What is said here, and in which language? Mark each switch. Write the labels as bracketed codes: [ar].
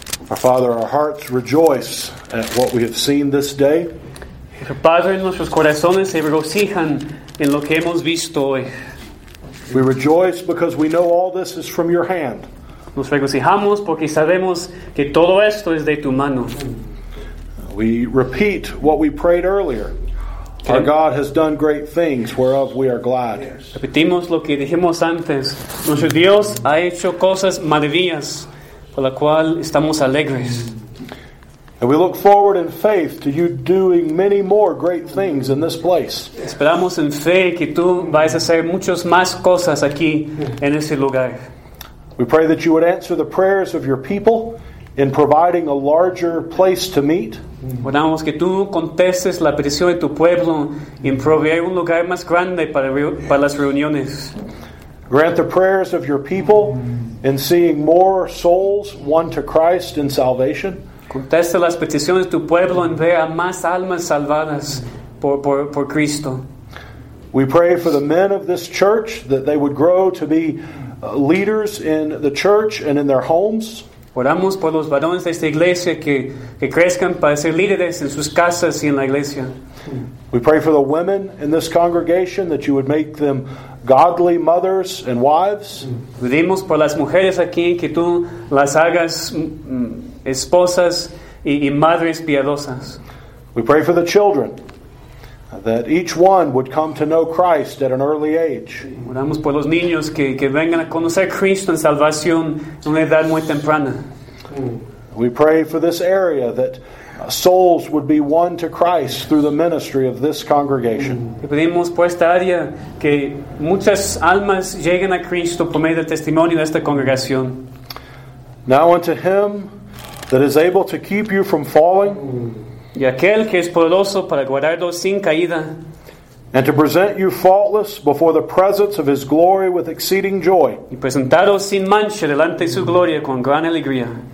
[en] Our Father, our hearts rejoice at what we have seen this day. [es] Padre, nuestros corazones se regocijan en lo que hemos visto hoy. [en] We rejoice because we know all this is from your hand. [es] Nos regocijamos porque sabemos que todo esto es de tu mano. [en] We repeat what we prayed earlier. Our God has done great things, whereof we are glad. [es] Repetimos lo que dijimos antes. Nuestro Dios ha hecho cosas maravillas, por la cual estamos alegres. [en] And we look forward in faith to you doing many more great things in this place. [es] Esperamos en fe que tú vayas a hacer muchas más cosas aquí en este lugar. [en] We pray that you would answer the prayers of your people in providing a larger place to meet. [es] Oramos que tú contestes la petición de tu pueblo en proveer un lugar más grande para las reuniones. [en] Grant the prayers of your people in seeing more souls won to Christ in salvation. [es] Contesta las peticiones de tu pueblo en ver a más almas salvadas por Cristo. [en] We pray for the men of this church that they would grow to be leaders in the church and in their homes. [es] Oramos por los varones de esta iglesia que crezcan para ser líderes en sus casas y en la iglesia. [en] We pray for the women in this congregation that you would make them godly mothers and wives. [es] Pedimos por las mujeres aquí que tú las hagas esposas y madres piadosas. [en] We pray for the children that each one would come to know Christ at an early age. [es] Oramos por los niños que vengan a conocer Cristo en salvación en una edad muy temprana. [en] We pray for this area that souls would be won to Christ through the ministry of this congregation. [es] Pedimos por esta área que muchas almas lleguen a Cristo por medio del testimonio de esta congregación. [en] Now unto him that is able to keep you from falling, [es] y aquel que es poderoso para guardarlos sin caída, [en] and to present you faultless before the presence of his glory with exceeding joy, [es] y presentaros sin mancha delante de su gloria con gran alegría.